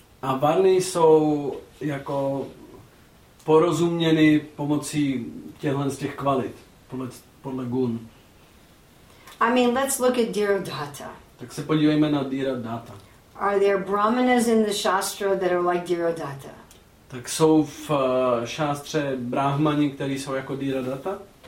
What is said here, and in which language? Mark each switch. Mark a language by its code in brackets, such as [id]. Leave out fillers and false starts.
[cs] A varny jsou jako porozuměny pomocí těchhle z těch kvalit, podle gun. [en] I mean, let's look at Dhiradhata. [cs] Tak se podívejme na Dhiradhata. [en] Are there brahmanas in the shastra that are like Dhiradhata? [cs] Tak jsou v šástře brahmani, kteří jsou jako Dhiradhata?